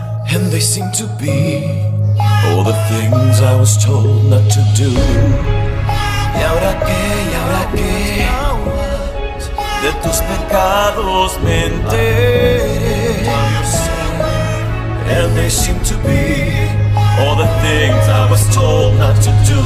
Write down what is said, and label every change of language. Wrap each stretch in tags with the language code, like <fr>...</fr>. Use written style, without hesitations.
<en>And they seem to be all the things I was told not to do.</en> <es>¿Y ahora qué? ¿Y ahora qué? De tus pecados me enteré.</es> <en>And they seem to be all the things I was told not to do.</en>